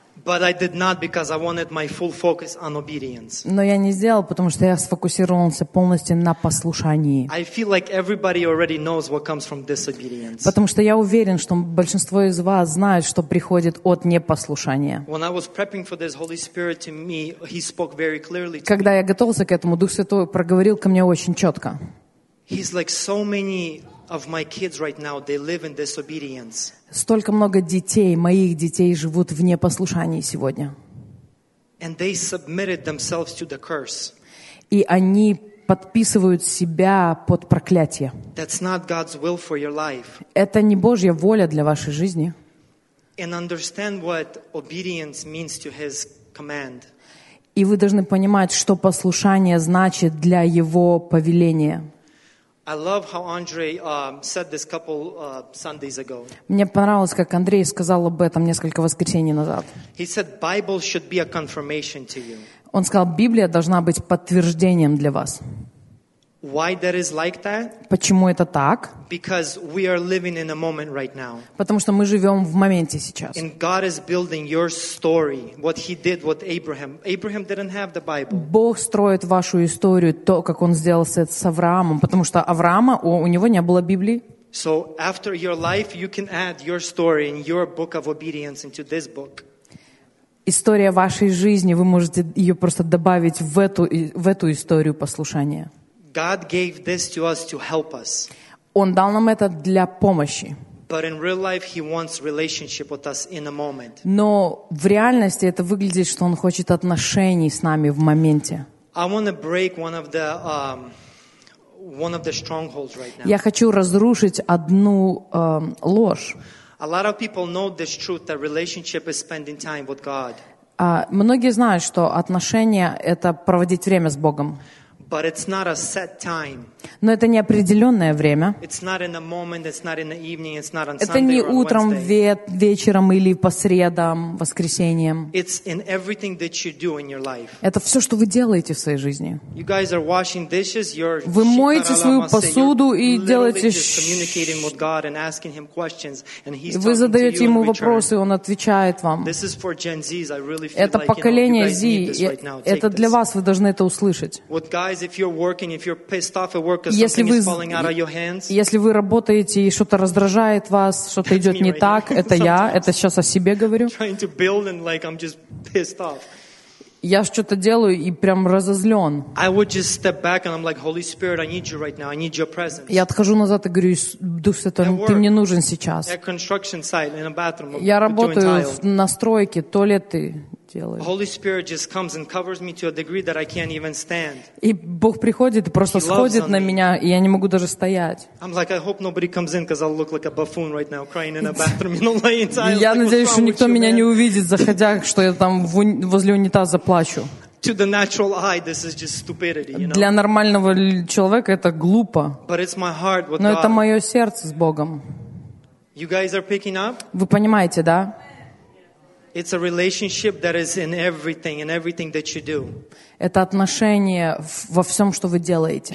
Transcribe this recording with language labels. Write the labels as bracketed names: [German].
[English] But I did not because I wanted my full focus on obedience. [Russian] Но я не сделал, потому что я сфокусировался полностью на послушании. [English] I feel like everybody already knows what comes from disobedience. [Russian] Потому что я уверен, что большинство из вас знают, что приходит от непослушания. [English] When I was prepping for this, Holy Spirit to me, he spoke very clearly to me. [Russian] Когда я готовился к этому, Дух Святой проговорил ко мне очень четко. [English] He's like so many of my kids right now, they live in disobedience. [Russian] Столько много детей, моих детей, живут в непослушании сегодня. [English] And they submitted themselves to the curse. [Russian] И они подписывают себя под проклятие. [English] That's not God's will for your life. [Russian] Это не Божья воля для вашей жизни. [English] And understand what obedience means to his command. [Russian] И вы должны понимать, что послушание значит для его повеления. [English] I love how Andre said this couple Sundays ago. [Russian] Мне понравилось, как Андрей сказал об этом несколько воскресений назад. [English] He said Bible should be a confirmation to you. [Russian] Он сказал, Библия должна быть подтверждением для вас. [English] Why that is like that? [Russian] Почему это так? [English] Because we are living in a moment right now. [Russian] Потому что мы живем в моменте сейчас. [English] And God is building your story, what He did with Abraham. Abraham didn't have the Bible. [Russian] Бог строит вашу историю, то, как Он сделал это с Авраамом, потому что Авраама у него не было Библии. [English] So after your life, you can add your story and your book of obedience into this book. [Russian] История вашей жизни, вы можете ее просто добавить в эту историю послушания. [English] God gave this to us to help us. [Russian] Он дал нам это для помощи. [English] But in real life, he wants relationship with us in a moment. [Russian] Но в реальности это выглядит, что он хочет отношений с нами в моменте. [English] I want to break one of the strongholds right now. [Russian] Я хочу разрушить одну ложь. [English] A lot of people know this truth that relationship is spending time with God. [Russian] Многие знают, что отношения это проводить время с Богом. [English] But it's not a set time. [Russian] Но это не определенное время. [English] It's not in the moment, it's not in the evening, it's not on Sunday. [Russian] Это не утром, вечером или по средам, воскресеньем. [English] It's in everything that you do in your life. [Russian] Это все, что вы делаете в своей жизни. [English] You guys are washing dishes, you're. [Russian] Вы моете свою посуду и делаете. [English] Communicating with God and asking him questions, and he's. [Russian] Вы задаете ему вопросы, он отвечает вам. [English] This is for Gen Z's. I really feel. [Russian] Это поколение Z. Это для вас, вы должны это услышать. [English] Guys, if you're working, if you're pissed off at work, because something is falling out of your hands. [Russian] Если вы работаете и что-то раздражает вас, что-то идет не так, это я, это сейчас о себе говорю. [English] Trying to build and like I'm just pissed off. [Russian] Я что-то делаю и прям разозлен. [English] I would just step back and I'm like, Holy Spirit, I need you right now. I need your presence. [Russian] Я отхожу назад и говорю, Дух Святой, ты мне нужен сейчас. [English] At construction site in a bathroom. [Russian] Я работаю на стройке, туалеты. [English] Holy Spirit just comes and covers me to a degree that I can't even stand. [Russian] И Бог приходит и просто сходит на меня, и я не могу даже стоять. [English] I'm like, I hope nobody comes in, because I'll look like a buffoon right now, crying in a bathroom, you know, laying in tiles. [Russian] Я надеюсь, что никто меня не увидит, заходя, что я там возле унитаза плачу. [English] To the natural eye, this is just stupidity, you know. [Russian] Для нормального человека это глупо. [English] But it's my heart with God. [Russian] Но это мое сердце с Богом. [English] You guys are picking up? [Russian] Вы понимаете, да? [English] It's a relationship that is in everything that you do. [Russian] Это отношение во всем, что вы делаете.